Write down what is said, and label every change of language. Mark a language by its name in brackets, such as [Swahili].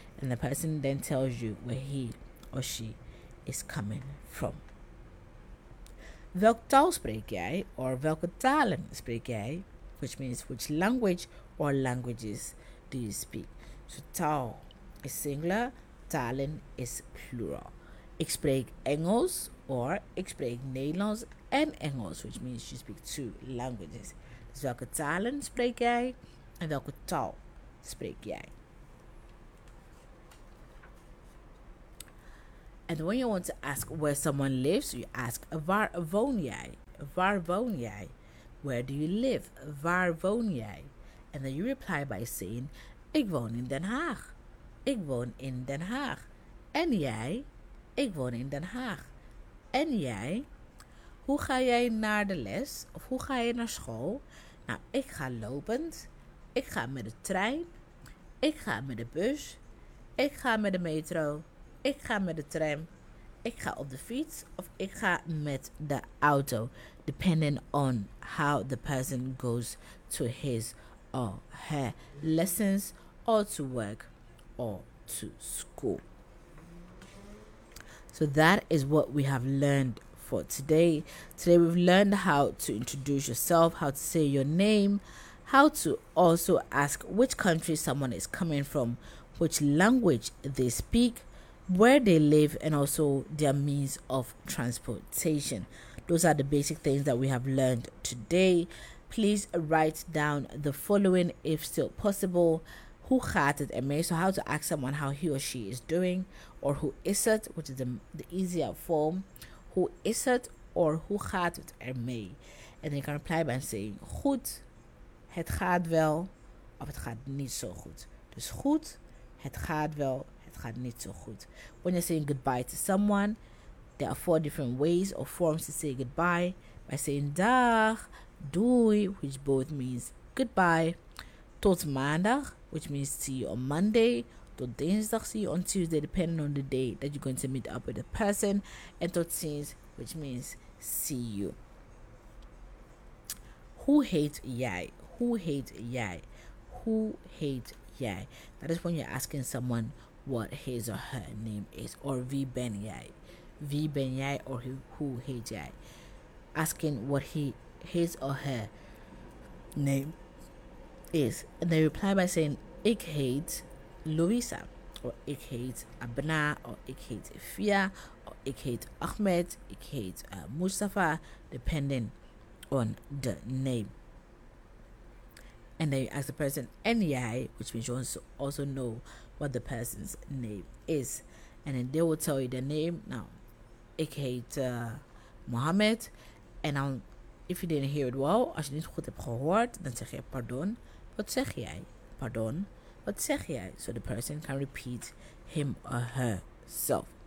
[English] And the person then tells you where he or she is coming from. [Dutch] Welk taal spreek jij? Or welke talen spreek jij? [English] Which means which language or languages do you speak? So taal is singular, talen is plural. [Dutch] Ik spreek Engels or ik spreek Nederlands en Engels, [English] which means you speak two languages. [Dutch] Dus welke talen spreek jij en welke taal spreek jij? [English] And when you want to ask where someone lives, you ask, [Dutch] waar woon jij? Waar woon jij? [English] Where do you live? [Dutch] Waar woon jij? [English] And then you reply by saying, [Dutch] ik woon in Den Haag. Ik woon in Den Haag. En jij? Ik woon in Den Haag. En jij? Hoe ga jij naar de les? Of hoe ga je naar school? Nou, ik ga lopend. Ik ga met de trein. Ik ga met de bus. Ik ga met de metro. Ik ga met de tram, ik ga op de fiets of ik ga met de auto. [English] Depending on how the person goes to his or her lessons or to work or to school. So that is what we have learned for today. Today we've learned how to introduce yourself, how to say your name, how to also ask which country someone is coming from, which language they speak, where they live, and also their means of transportation. Those are the basic things that we have learned today. Please write down the following if still possible. [Dutch] Hoe gaat het ermee? [English] So how to ask someone how he or she is doing, or who is it, which is the easier form. Who is it or [Dutch] hoe gaat het ermee? [English] And you can reply by saying goed, [Dutch] het gaat wel, of het gaat niet zo goed. Dus goed, het gaat wel, gaat niet zo goed. [English] When you're saying goodbye to someone, there are four different ways or forms to say goodbye. By saying dag, doei, which both means goodbye. [Dutch] Tot maandag, [English] which means see you on Monday. [Dutch] Tot dinsdag, [English] see you on Tuesday, depending on the day that you're going to meet up with the person. And [Dutch] tot ziens, [English] which means see you. [Dutch] Hoe heet jij? Hoe heet jij? Hoe heet jij? [English] That is when you're asking someone what his or her name is, or [Dutch] wie ben jij? Wie ben jij, or who heet jij? [English] Asking what his or her name is. And they reply by saying, [Dutch] ik heet Louisa, or ik heet Abna, or ik heet Fia, or ik heet Ahmed, ik heet Mustafa, [English] depending on the name. And then you ask the person, en jij, which means you want to also know what the person's name is. And then they will tell you their name. [Dutch] Now, ik heet Mohammed. [English] And then, if you didn't hear it well, [Dutch] als je niet goed hebt gehoord, dan zeg je, pardon, wat zeg jij? Pardon, wat zeg jij? [English] So the person can repeat him or herself.